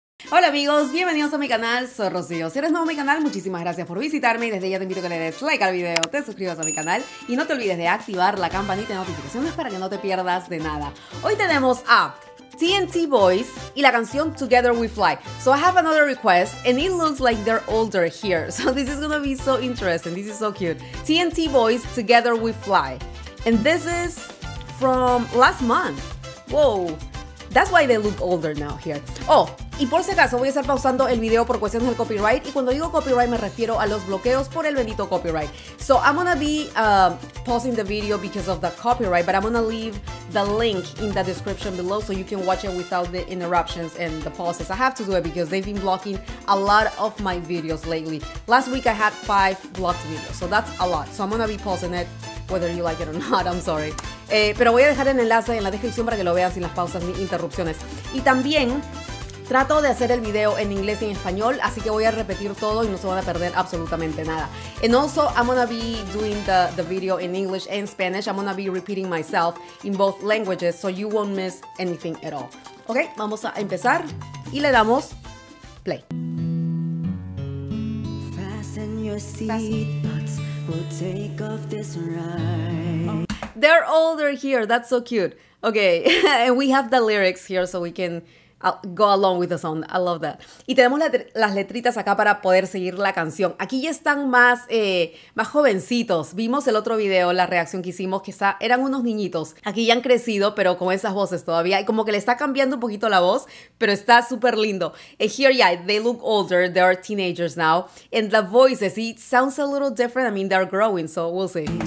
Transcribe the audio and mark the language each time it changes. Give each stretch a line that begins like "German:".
Spanish: Hola amigos, bienvenidos a mi canal, soy Rocío. Si eres nuevo a mi canal, muchísimas gracias por visitarme y desde ya te invito a que le des like al video, te suscribas a mi canal y no te olvides de activar la campanita de notificaciones para que no te pierdas de nada. Hoy tenemos a TNT Boys y la canción Together We Fly.
English: So I have another request and it looks like they're older here. So this is gonna be so interesting, this is so cute. TNT Boys, Together We Fly. And this is from last month. Whoa. That's why they look older now here.
Spanish: Oh, y por si acaso voy a estar pausando el video por cuestiones del copyright. Y cuando digo copyright me refiero a los bloqueos por el bendito copyright.
English: So I'm gonna be pausing the video because of the copyright, but I'm gonna leave the link in the description below so you can watch it without the interruptions and the pauses. I have to do it because they've been blocking a lot of my videos lately. Last week I had 5 blocked videos, so that's a lot. So I'm gonna be pausing it whether you like it or not, I'm sorry.
Spanish: Pero voy a dejar el enlace en la descripción para que lo veas sin las pausas ni interrupciones. Y también trato de hacer el video en inglés y en español, así que voy a repetir todo y no se van a perder absolutamente nada.
English: And also, I'm gonna be doing the video in English and Spanish. I'm gonna be repeating myself in both languages, so you won't miss anything at all.
Spanish: Ok, vamos a empezar y le damos play.
English: Fasten your seatbelts, we'll take off this ride. Oh. They're older here, that's so cute. Okay, and we have the lyrics here so we can go along with the song. I love that.
Spanish: Y tenemos las letritas acá para poder seguir la canción. Aquí ya están más, más jovencitos. Vimos el otro video, la reacción que hicimos, que eran unos niñitos. Aquí ya han crecido, pero con esas voces todavía. Y como que le está cambiando un poquito la voz, pero está súper lindo.
English: Here, yeah, they look older. They are teenagers now. And the voices, it sounds a little different. I mean, they're growing, so we'll see.